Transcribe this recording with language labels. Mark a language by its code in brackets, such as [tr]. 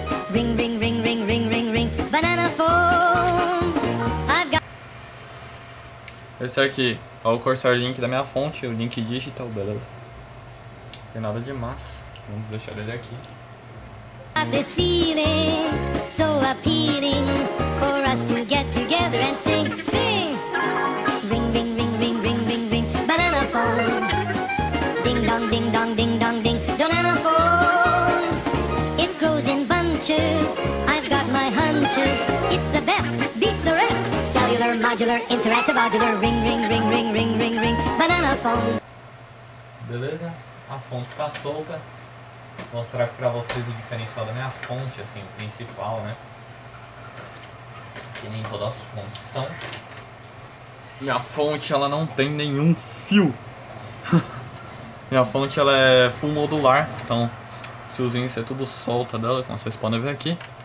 [en] Ring, ring, ring, ring, ring, ring, ring, banana phone. I've got... [pt] Esse aqui, ó, o cursor link da minha fonte, o link digital, beleza. Tem nada de massa. Vamos deixar ele aqui. [en] This feeling so appealing for us to get together and sing, sing. Ring, ring, ring, ring, ring, ring, ring, banana phone. Ding dong, ding dong, ding dong, ding, banana phone. It grows in bunches, I've got my hunches. It's the best, beats the rest. Cellular, modular, interactive, modular. Ring, ring, ring, ring, ring, ring, ring, banana phone. [pt] Beleza? A fonte está solta. Mostrar pra vocês o diferencial da minha fonte, assim, o principal, né? Que nem todas as fontes são. Minha fonte, ela não tem nenhum fio. Minha fonte, ela é full modular. Então, os fiozinhos, é tudo solta dela, como vocês podem ver aqui.